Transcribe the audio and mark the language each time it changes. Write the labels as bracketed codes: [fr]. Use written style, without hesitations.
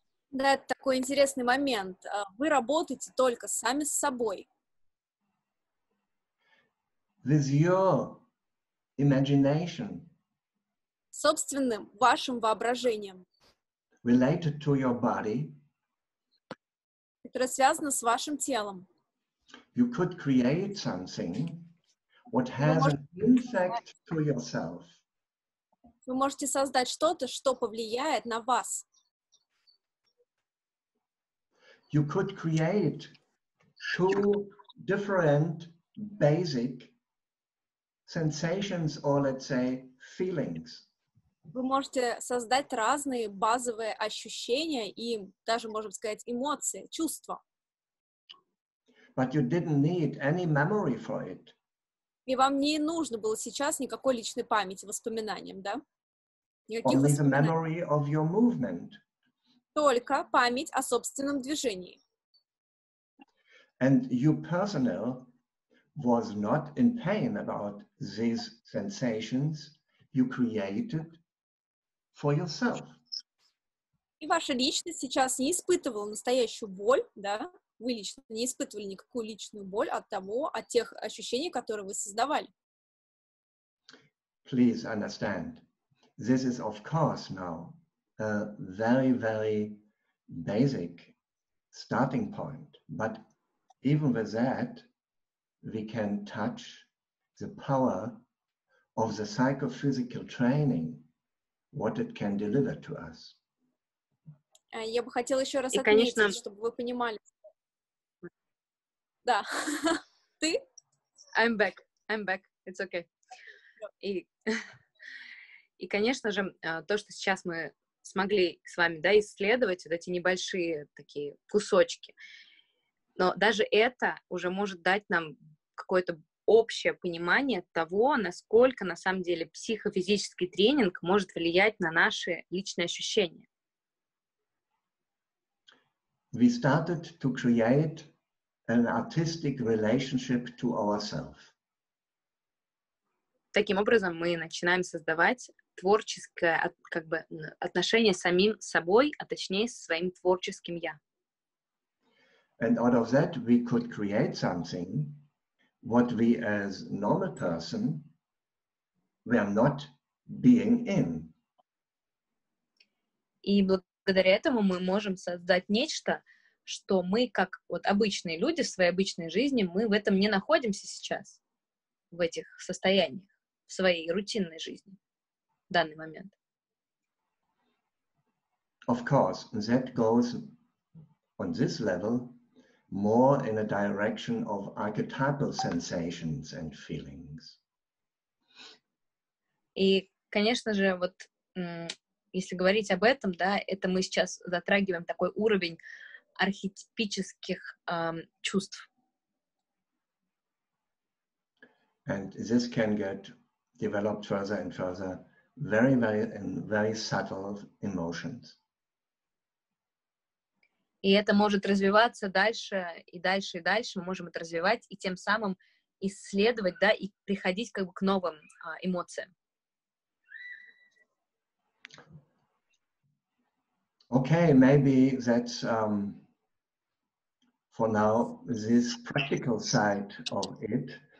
[ru] Да, это такой интересный момент. Вы работаете только сами с собой. [en] With your imagination. [ru] Собственным вашим воображением. [en] Related to your body. [ru] Которое связано с вашим телом. [en] You could create something what has an impact to yourself. [ru] Вы можете создать что-то, что повлияет на вас. [en] You could create two different basic sensations, or let's say, feelings. [ru] Вы можете создать разные базовые ощущения и даже, можем сказать, эмоции, чувства. [en] But you didn't need any memory for it. [ru] И вам не нужно было сейчас никакой личной памяти, воспоминаниям, да? [en] Only the memory of your movement. [ru] Только память о собственном движении. [en] And you personal was not in pain about these sensations you created for yourself. [ru] И ваша личность сейчас не испытывала настоящую боль, да? Вы лично не испытывали никакую личную боль от того, от тех ощущений, которые вы создавали. [en] Please understand. This is, of course, now a very, very basic starting point. But even with that, we can touch the power of the psychophysical training, what it can deliver to us. [ru] Я бы хотела еще раз отметить, чтобы вы понимали. Да. Ты? [en] I'm back. It's okay. [ru] И, конечно же, то, что сейчас мы смогли с вами, да, исследовать, вот эти небольшие такие кусочки, но даже это уже может дать нам какое-то общее понимание того, насколько на самом деле психофизический тренинг может влиять на наши личные ощущения. [en] We started to create an artistic relationship to ourselves. [ru] Таким образом, мы начинаем создавать творческое, как бы, отношение с самим собой, а точнее со своим творческим я. [en] And out of that we could create something what we as normal person were not being in. [ru] И благодаря этому мы можем создать нечто, что мы, как вот обычные люди в своей обычной жизни, мы в этом не находимся сейчас, в этих состояниях, в своей рутинной жизни в данный момент. [en] Of course, that goes on this level more in a direction of archetypal sensations and feelings. [ru] И, конечно же, вот если говорить об этом, да, это мы сейчас затрагиваем такой уровень архетипических чувств. [en] And this can get developed further and further, very, very, in very subtle emotions. [ru] И это может развиваться дальше и дальше и дальше. Мы можем это развивать и тем самым исследовать, да, и приходить как бы к новым эмоциям. [en] Okay, maybe that's for now this practical side of it.